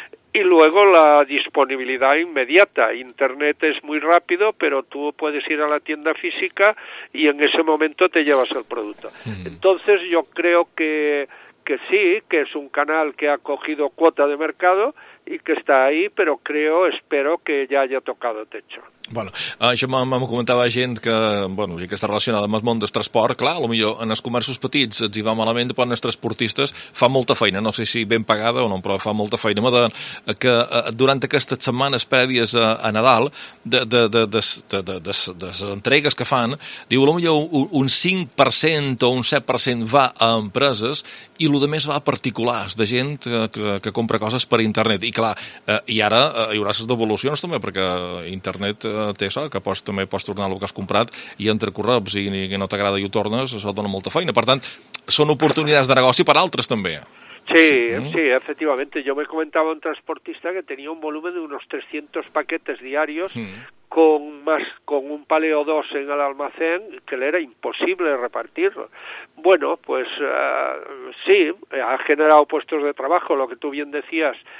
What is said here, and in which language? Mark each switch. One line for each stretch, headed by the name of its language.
Spanish: Y luego la disponibilidad inmediata. Internet es muy rápido, pero tú puedes ir a la tienda física y en ese momento te llevas el producto. Entonces yo creo que sí, que es un canal que ha cogido cuota de mercado y que está ahí, pero creo, espero que ya haya tocado techo.
Catalan: Bueno, això m'ho comentava gent que, bueno, que està relacionada amb el món del transport. Clar, potser en els comerços petits ens hi va malament, però en els transportistes fa molta feina, no sé si ben pagada o no, però fa molta feina. M'ha de que durant aquestes setmanes prèvies a Nadal, de les entregues que fan, diu, potser un 5% o un 7% va a empreses i el demés va a particulars, de gent que compra coses per internet. I clar, i ara hi haurà les devolucions també, perquè internet té això, que pots tornar el que has comprat i entre corrups i no t'agrada i ho tornes, això dona molta feina. Per tant, són oportunitats de negoci per altres també.
Spanish: Sí, efectivamente. Yo me comentaba un transportista que tenía un volumen de unos 300 paquetes diarios con un paleo 2 en el almacén que le era imposible repartirlo. Bueno, pues sí, ha generado puestos de trabajo, lo que tú bien decías.